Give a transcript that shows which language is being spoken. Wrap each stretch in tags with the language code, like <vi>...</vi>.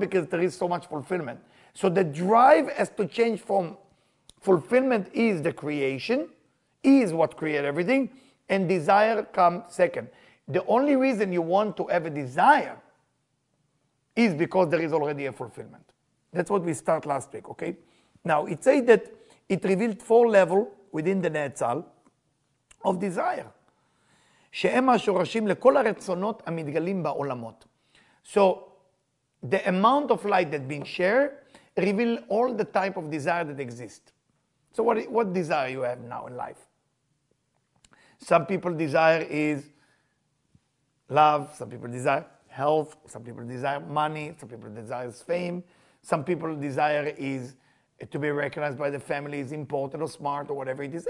<en>Because there is so much fulfillment. So the drive has to change from fulfillment is the creation, is what creates everything, and desire comes second. The only reason you want to have a desire is because there is already a fulfillment. That's what we start last week, okay? Now, it says that it revealed four levels within the Netzal of desire.</en> <he>שהם השורשים לכל הרצונות המתגלים בעולמות.</he> <en>So, the amount of light that been shared reveal all the type of desire that exist. So what desire you have now in life? Some people desire is love, some people desire health, some people desire money, some people desire fame, some people desire is to be recognized by the family, is important or smart or whatever it is.</en>